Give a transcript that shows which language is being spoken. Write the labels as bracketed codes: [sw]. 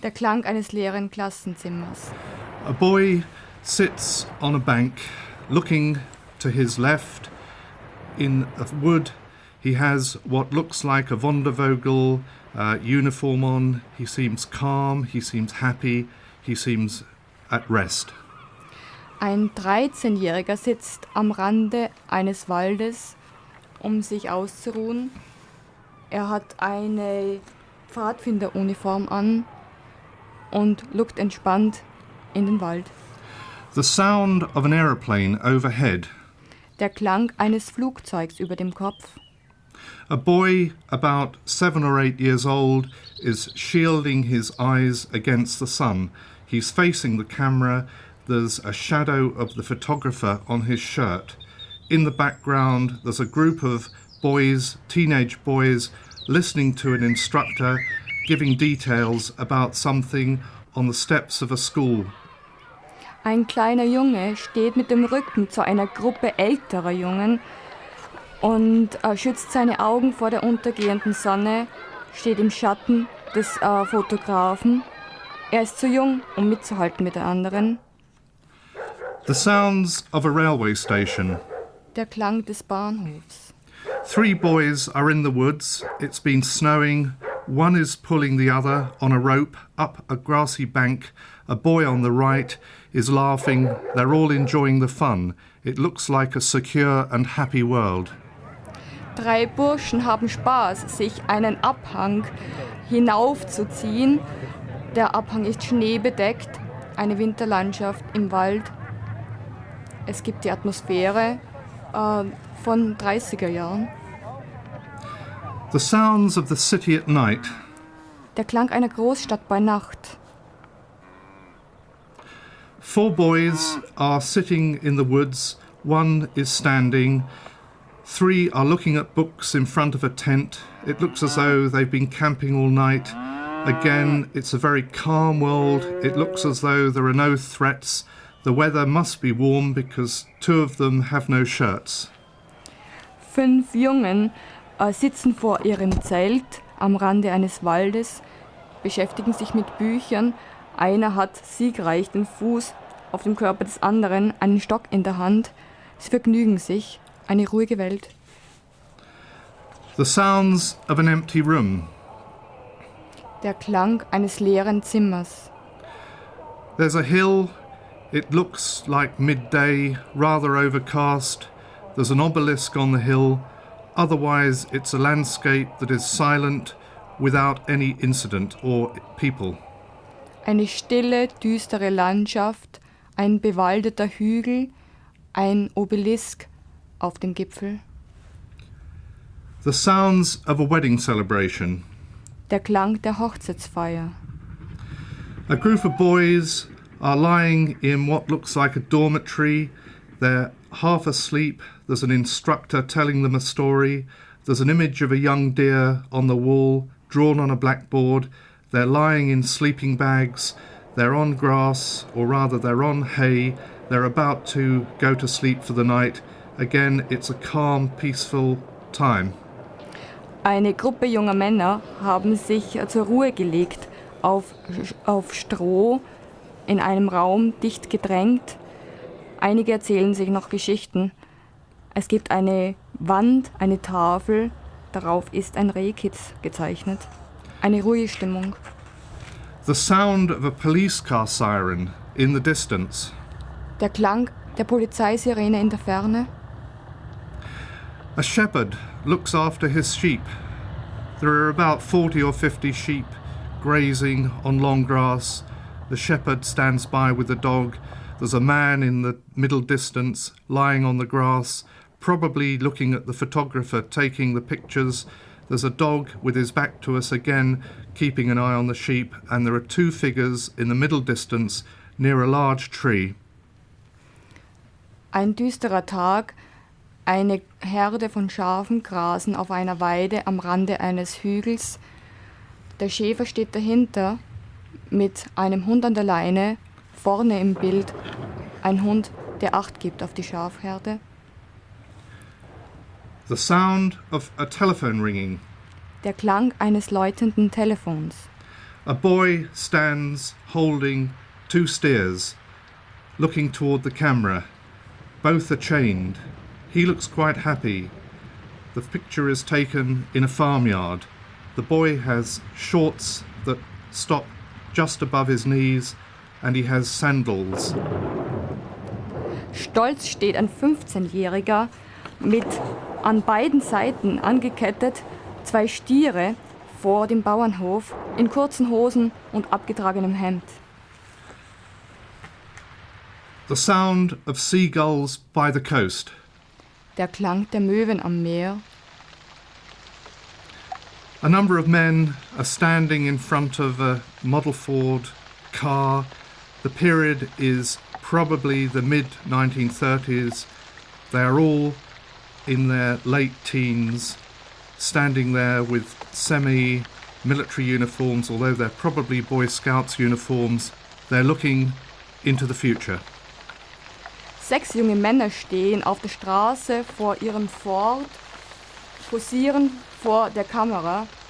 [de] Der Klang eines leeren Klassenzimmers. [en] A boy sits on a bank, looking to his left in a wood. He has what looks like a Vondervogel uniform on. He seems calm, he seems happy, he seems at rest. [de] Ein 13-Jähriger sitzt am Rande eines Waldes, um sich auszuruhen. Er hat eine Pfadfinderuniform an und lugt entspannt in den Wald. [en] The sound of an aeroplane overhead. [de] Der Klang eines Flugzeugs über dem Kopf. [en] A boy about 7 or 8 years old is shielding his eyes against the sun. He's facing the camera. There's a shadow of the photographer on his shirt. In the background, there's a group of boys, teenage boys, listening to an instructor giving details about something on the steps of a school. [de] Ein kleiner Junge steht mit dem Rücken zu einer Gruppe älterer Jungen und schützt seine Augen vor der untergehenden Sonne, steht im Schatten des Fotografen. Er ist zu jung, um mitzuhalten mit den anderen. [en] The sounds of a railway station. [de] Der Klang des Bahnhofs. [en] Three boys are in the woods. It's been snowing. One is pulling the other on a rope up a grassy bank. A boy on the right is laughing. They're all enjoying the fun. It looks like a secure and happy world. [de] Drei Burschen haben Spaß, sich einen Abhang hinaufzuziehen. Der Abhang ist schneebedeckt. Eine Winterlandschaft im Wald. Es gibt die Atmosphäre. Von 30er Jahren. [en] The sounds of the city at night. [de] Der Klang einer Großstadt bei Nacht. [en] Four boys are sitting in the woods. One is standing. Three are looking at books in front of a tent. It looks as though they've been camping all night. Again, it's a very calm world. It looks as though there are no threats. The weather must be warm because two of them have no shirts. [de] Fünf Jungen sitzen vor ihrem Zelt am Rande eines Waldes, beschäftigen sich mit Büchern. Einer hat siegreich den Fuß auf dem Körper des anderen, einen Stock in der Hand. Sie vergnügen sich. Eine ruhige Welt. [en] The sounds of an empty room. [de] Der Klang eines leeren Zimmers. [en] There's a hill. It looks like midday, rather overcast. There's an obelisk on the hill. Otherwise, it's a landscape that is silent, without any incident or people. [de] Eine stille, düstere Landschaft, ein bewaldeter Hügel, ein Obelisk auf dem Gipfel. [en] The sounds of a wedding celebration. [de] Der Klang der Hochzeitsfeier. [en] A group of boys are lying in what looks like a dormitory. They're half asleep. There's an instructor telling them a story. There's an image of a young deer on the wall, drawn on a blackboard. They're lying in sleeping bags. They're on grass, or rather they're on hay. They're about to go to sleep for the night. Again, it's a calm, peaceful time. [de] Eine Gruppe junger Männer haben sich zur Ruhe gelegt auf Stroh in einem Raum dicht gedrängt. Einige erzählen sich noch Geschichten. Es gibt eine Wand, eine Tafel, darauf ist ein Rehkitz gezeichnet. Eine ruhige Stimmung. [en] The sound of a police car siren in the distance. [de] Der Klang der Polizeisirene in der Ferne. [en] A shepherd looks after his sheep. There are about 40 or 50 sheep grazing on long grass. The shepherd stands by with a dog. There's a man in the middle distance lying on the grass, probably looking at the photographer taking the pictures. There's a dog with his back to us again, keeping an eye on the sheep. And there are two figures in the middle distance near a large tree. [de] Ein düsterer Tag. Eine Herde von Schafen grasen auf einer Weide am Rande eines Hügels. Der Schäfer steht dahinter mit einem Hund an der Leine. Vorne im Bild ein Hund, der Acht gibt auf die Schafherde. [en] The sound of a telephone ringing. [de] Der Klang eines läutenden Telefons. [en] A boy stands holding two steers, looking toward the camera. Both are chained. He looks quite happy. The picture is taken in a farmyard. The boy has shorts that stop just above his knees and he has sandals. [de] Stolz steht ein 15-Jähriger mit an beiden Seiten angekettet zwei Stiere vor dem Bauernhof in kurzen Hosen und abgetragenem Hemd. [en] The sound of seagulls by the coast. [de] Der Klang der Möwen am Meer. [en] A number of men are standing in front of a Model Ford car. The period is probably the mid-1930s. They are all in their late teens, standing there with semi-military uniforms, although they're probably Boy Scouts uniforms. They're looking into the future. [de] Sechs junge Männer stehen auf der Straße vor ihrem Ford, posieren vor der Kamera.